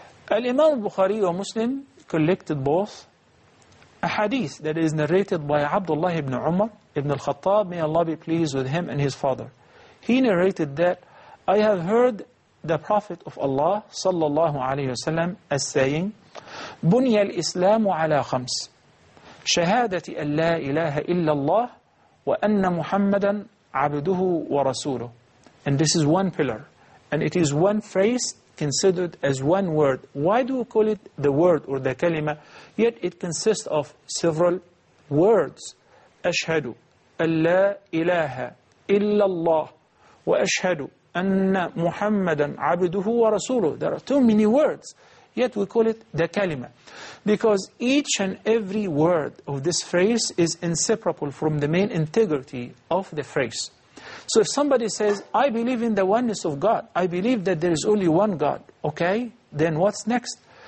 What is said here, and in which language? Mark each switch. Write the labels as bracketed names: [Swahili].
[English] Al-Imam Bukhari or Muslim collected both a hadith that is narrated by Abdullah ibn Umar ibn al-Khattab, may Allah be pleased with him and his father. He narrated that, I have heard the Prophet of Allah sallallahu alayhi wa sallam as saying, [Arabic] Bunya al-Islamu ala khams. شهادة أن لا إله إلا الله وأن محمدا عبده ورسوله. [English] And this is one pillar. And it is one phrase considered as one word. Why do we call it the word or the kalima? Yet it consists of several words. [Arabic] أشهد أن لا إله إلا الله وأشهد أن محمدا عبده ورسوله. [English] There are too many words. Yet we call it the kalima. Because each and every word of this phrase is inseparable from the main integrity of the phrase. So if somebody says, I believe in the oneness of God, I believe that there is only one God, okay, then what's next?